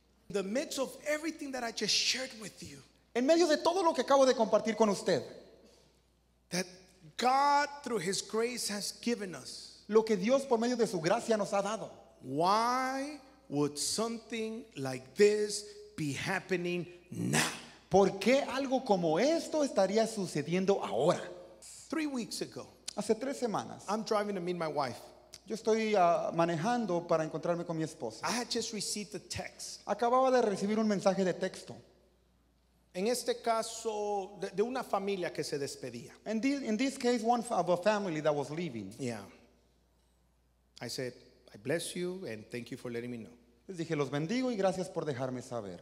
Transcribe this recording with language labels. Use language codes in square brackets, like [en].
[en] the midst of everything that I just shared with you, [es] en medio de todo lo que acabo de compartir con usted, [en] that God through His grace has given us, [es] lo que Dios por medio de su gracia nos ha dado, [en] why would something like this be happening now? [es] ¿Por qué algo como esto estaría sucediendo ahora? [en] 3 weeks ago, [es] hace 3 semanas, [en] I'm driving to meet my wife. [es] Yo estoy manejando para encontrarme con mi esposa. [en] I had just received a text. [es] Acababa de recibir un mensaje de texto. En este caso, de una familia que se despedía. [en] In this case, one of a family that was leaving. Yeah. I said, I bless you and thank you for letting me know. [es] Les dije, los bendigo y gracias por dejarme saber.